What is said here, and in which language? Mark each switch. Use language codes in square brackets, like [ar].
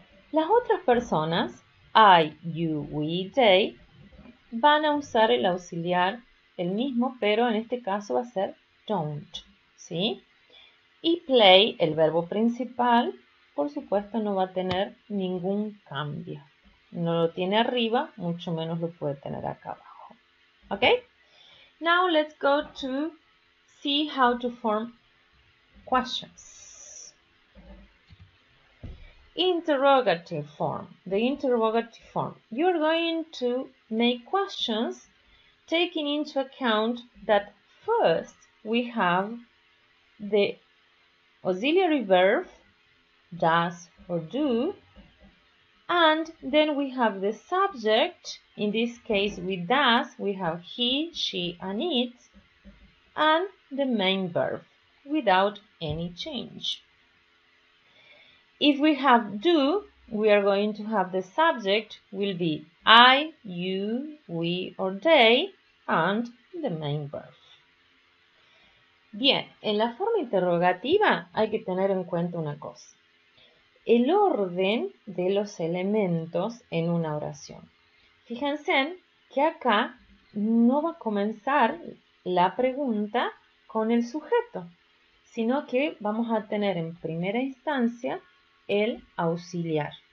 [es] Las otras personas, [en] I, you, we, they, [es] van a usar el auxiliar el mismo, pero en este caso va a ser don't, ¿sí? Y play, el verbo principal, por supuesto no va a tener ningún cambio. No lo tiene arriba, mucho menos lo puede tener acá abajo. ¿Ok? [en] Now let's go to see how to form questions. Interrogative form. The interrogative form. You're going to make questions taking into account that first we have the auxiliary verb, does or do, And then we have the subject. In this case, with does, we have he, she, and it. And the main verb without any change. If we have do, we are going to have the subject will be I, you, we, or they, and the main verb. [es] Bien, en la forma interrogativa hay que tener en cuenta una cosa. El orden de los elementos en una oración. Fíjense que acá no va a comenzar la pregunta con el sujeto, sino que vamos a tener en primera instancia el auxiliar.